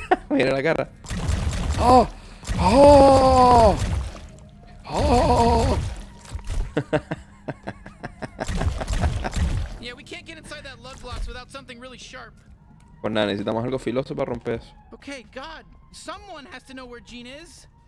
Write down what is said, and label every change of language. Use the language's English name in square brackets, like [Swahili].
[Spanish] Mira la cara. Oh, oh, oh. [English] Yeah, we can't get inside that lug locks without something really sharp. [Spanish] Pues nada, necesitamos algo filoso para romper eso. [English] Okay, God, someone has to know where Gene is.